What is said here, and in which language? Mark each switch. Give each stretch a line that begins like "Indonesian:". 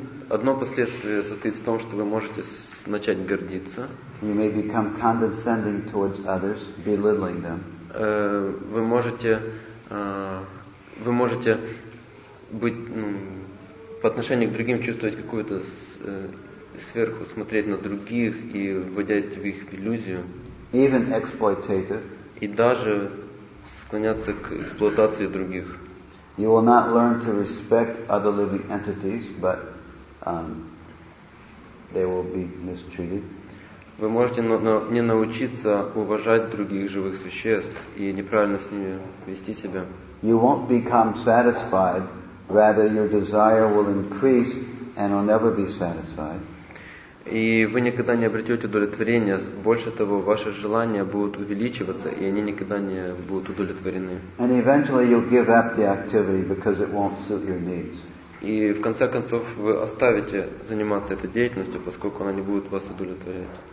Russian: Одно последствие состоит в том, что вы можете начать гордиться.
English: You may become condescending towards others, belittling them.
Russian: Вы можете быть по отношению к другим чувствовать какую-то сверху смотреть на других и вводить в их иллюзию.
English: Even exploitative.
Russian: И даже склоняться к эксплуатации других.
English: You will not learn to respect other living entities, but they will be mistreated.
Russian: Вы можете не научиться уважать других живых существ и неправильно с ними вести себя.
English: You won't become satisfied, rather your desire will increase and will never be satisfied.
Russian: И вы никогда не обретете удовлетворения. Больше того, ваши желания будут увеличиваться, и они никогда не будут удовлетворены.
English: And eventually you'll give up the activity because it won't suit your needs.
Russian: И в конце концов вы оставите заниматься этой деятельностью, поскольку она не будет вас удовлетворять.